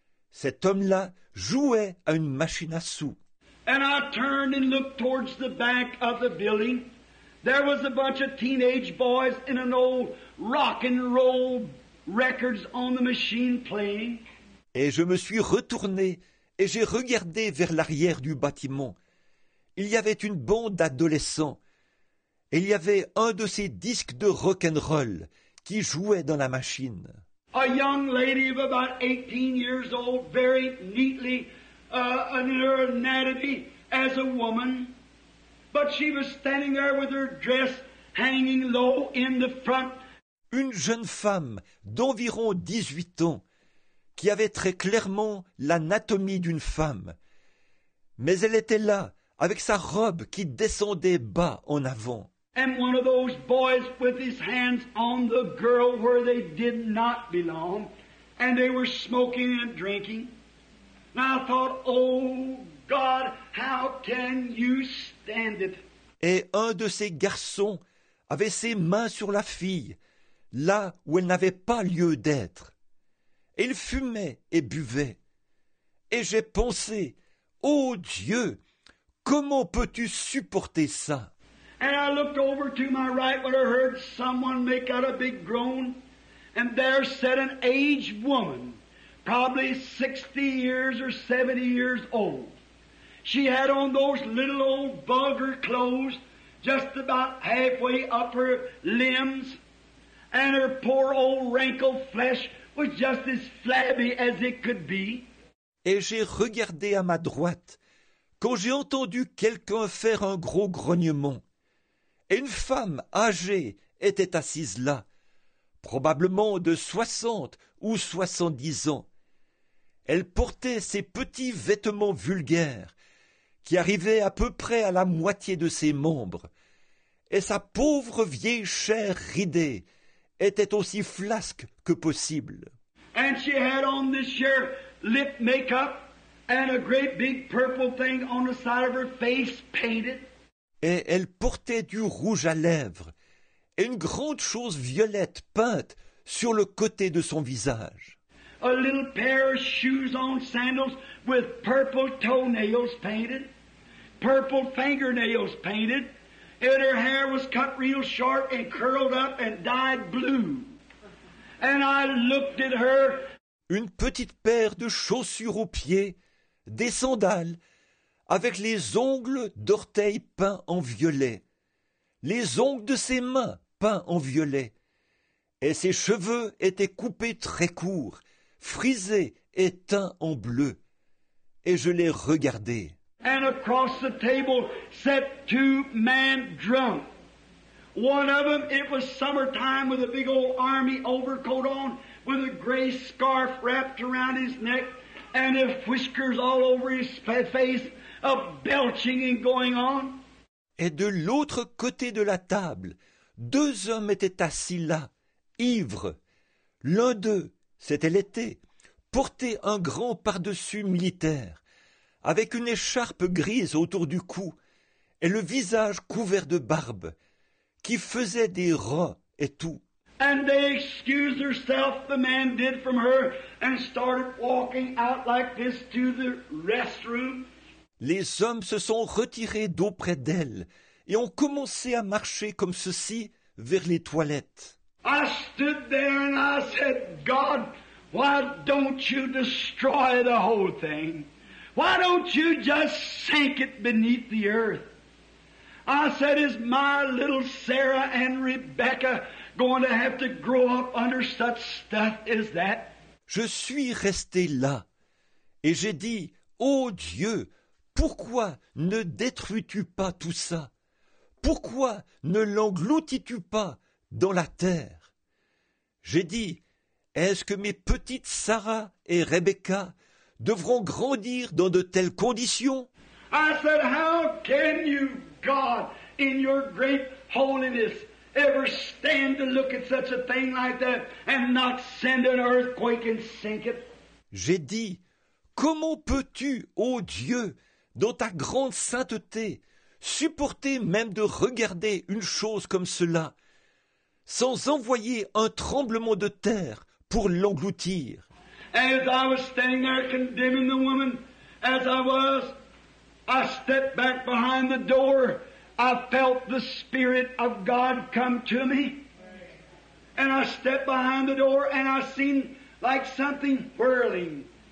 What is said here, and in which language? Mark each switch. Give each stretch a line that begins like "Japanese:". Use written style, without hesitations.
French: Cet homme-là jouait à une machine à sous.
English: And I turned and looked towards the back of the building. There was a bunch of teenage boys in an old rock and roll records on the machine playing.
French: Et je me suis retourné et j'ai regardé vers l'arrière du bâtiment. Il y avait une bande d'adolescents et il y avait un de ces disques de rock'n'roll qui jouait dans la machine.
English: A young lady of about 18 years old, very neatly, in her anatomy as a woman. But she was standing there with her dress hanging low in the front.
French: Une jeune femme d'environ 18 ans qui avait très clairement l'anatomie d'une femme. Mais elle était là, avec sa robe qui descendait bas en avant.
English: And one of those boys with his hands on the girl where they did not belong, and they were smoking and drinking. And I thought, oh God, how can you stand it?
French: Et un de ces garçons avait ses mains sur la fille, là où elle n'avait pas lieu d'être. Il fumait et buvait. Et j'ai pensé, Ô Dieu, comment peux-tu supporter ça?
English: And I looked over to my right when I heard someone make out a big groan, and there sat an aged woman, probably 60 years or 70 years old. She had on those little old vulgar clothes, just about halfway up her limbs, and her poor old wrinkled flesh was just as flabby as it could be.
French: Et j'ai regardé à ma droite, quand j'ai entendu quelqu'un faire un gros grognement. Et une femme âgée était assise là, probablement de 60 ou 70 ans. Elle portait ses petits vêtements vulgaires, qui arrivaient à peu près à la moitié de ses membres, et sa pauvre vieille chair ridée était aussi flasque que possible.
English: And she had on this year lip makeup and a great big purple thing on the side of her face painted.
French: Et elle portait du rouge à lèvres et une grande chose violette peinte sur le côté de son visage.
English: A little pair of shoes on sandals with purple toenails painted, purple fingernails painted, and her hair was cut real short and curled up and dyed blue. And I looked at her.
French: Une petite paire de chaussures aux pieds, des sandales, avec les ongles d'orteils peints en violet, les ongles de ses mains peints en violet, et ses cheveux étaient coupés très courts, frisés et teints en bleu. Et je l'ai regardé.
English: And across the table sat two men drunk. One of them, it was summertime with a big old army overcoat on, with a gray scarf wrapped around his neck, and his whiskers all over his face, a belching and going on.
French: Et de l'autre côté de la table, deux hommes étaient assis là, ivres. L'un d'eux, c'était l'été, portait un grand pardessus militaire, avec une écharpe grise autour du cou, et le visage couvert de barbe, qui faisait des rats et tout.
English: And they excused herself, the man did from her, and started walking out like this to the restroom.
French: Les hommes se sont retirés d'auprès d'elle et ont commencé à marcher comme ceci vers les toilettes.
English: I stood there and I said, God, why don't you destroy the whole thing? Why don't you just sink it beneath the earth? I said, is my little Sarah and Rebecca going to have to grow up under such stuff as that?
French: Je suis resté là, et j'ai dit, ô Dieu, pourquoi ne détruis-tu pas tout ça? Pourquoi ne l'engloutis-tu pas dans la terre? J'ai dit, est-ce que mes petites Sarah et Rebecca devront grandir dans de telles conditions?
English: I said, how can you, God, in your great holiness, ever stand to look at such a thing like that and not send an earthquake and sink it?
French: J'ai dit, comment peux-tu, ô Dieu, dans ta grande sainteté, supporter même de regarder une chose comme cela, sans envoyer un tremblement de terre pour l'engloutir?
English: As I was standing there condemning the woman, as I was, I stepped back behind the door. I felt the Spirit of God come to me. And I stepped behind the door and I seen like something whirling.